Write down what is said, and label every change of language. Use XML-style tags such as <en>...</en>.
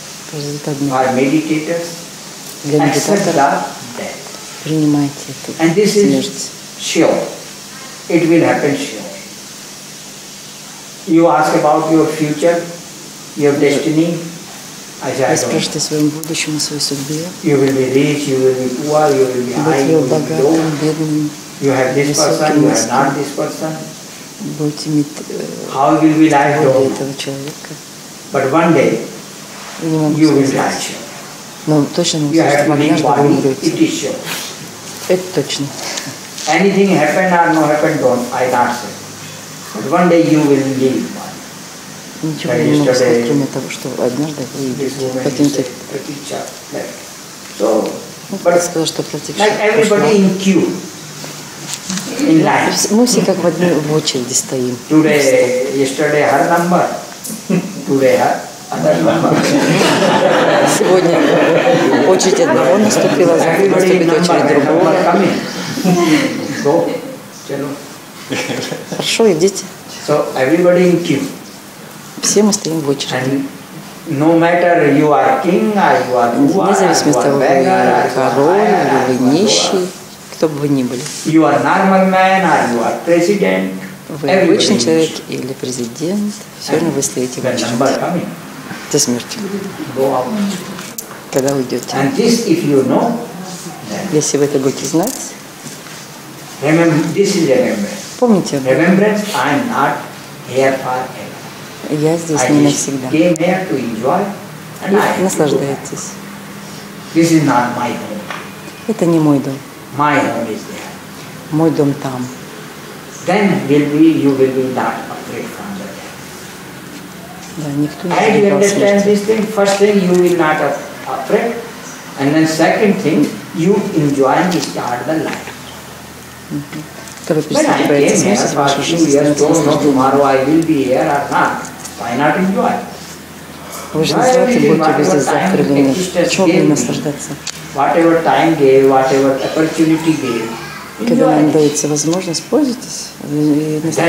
<ru>Произойдет одно. Для медитатора принимайте это.</ru> <en>And this</en> <ru>смерть.</ru> <en>Is sure. It will happen sure. You ask about your future, your destiny.</en> <ru>Вы спрашиваете о своем будущем, о своей судьбе.</ru> <en>You will be rich, you will be poor, you will be high, you will be low.</en> <ru>Бедным,</ru> <en>you have this person,</en> <ru>высоким.</ru> <en>You have not this person.</en> <ru>Будете иметь</ru> <en>how will we die for</en> <ru>этого человека?</ru> <en>But one day, you will die sure.</en> <ru>Но точно не знаю, что вы однажды умрете. Это точно.</ru> <en>Anything happen or no happen, don't I not say. But one day you will leave.</en> <ru>Ничего не могу сказать, кроме того, что однажды вы идете. Потом тебе</ru> <en>Pratiksha. So, but</en> <ru>сказал, что Pratiksha.</ru> <en>Like everybody in queue. In line.</en> <ru>Мы все как в одной очереди стоим.</ru> <en>Today, yesterday, her number. Today, her.</en> <ru>Сегодня очередь одного наступила, завтра наступит очередь другого. Хорошо, идите.</ru> <en>So everybody in queue.</en> <ru>Все мы стоим в очереди.</ru> <en>No matter you are king or you are poor,</en> <ru>вне зависимости от того, вы король или вы нищий, кто бы вы ни были.</ru> <en>You are normal man or you are president.</en> <ru>Вы обычный человек или президент, все равно вы стоите в очереди. До смерти. Когда уйдете.</ru> <en>And this, if you know,</en> <ru>если вы это будете знать,</ru> <en>this is remembrance.</en> <ru>Помните.</ru> <en>Remembrance, I'm not here forever.</en> <ru>Я здесь</ru> <en>I</en> <ru>не навсегда.</ru> <en>Came here to enjoy, and</en> <ru>и</ru> <en>I</en> <ru>наслаждайтесь.</ru> <en>This is not my home.</en> <ru>Это не мой дом.</ru> <en>My home is there.</en> <ru>Мой дом там.</ru> <en>Then will be, you will be not afraid.</en> <ru>Да, никто не</ru> <en>and you understand this thing? First thing, you will not afraid. And then second thing, you enjoy and start the life. Mm-hmm. But I came here for a few years, don't know tomorrow I will be here or not. Why not enjoy? Why are you doing whatever time existence gave? Whatever time gave, whatever opportunity gave. Enjoy.</en> <ru>Когда вам дается возможность, пользуйтесь и</ru>